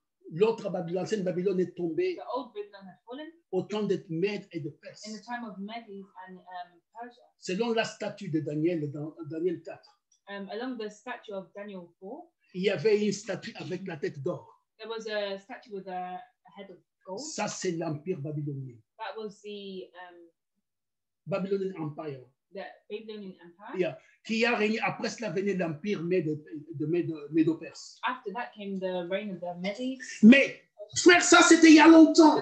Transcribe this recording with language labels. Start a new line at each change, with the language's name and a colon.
French: L'autre Babylone, l'ancienne Babylone est tombée au temps d'être Mèdes et de Perses.
English: In the time of Medes and Persia.
French: Selon la statue de Daniel dans Daniel 4.
English: Along the statue of Daniel 4.
French: Il y avait une statue avec la tête d'or.
English: There was a statue with a head of gold.
French: Ça c'est l'empire babylonien.
English: That was the Babylonian Empire. The Babylonian Empire. Yeah.
French: Qui a régné après cela venait l'empire Médo-Perse.
English: After that came the reign of the Medes.
French: Mais frère, ça c'était il y a longtemps.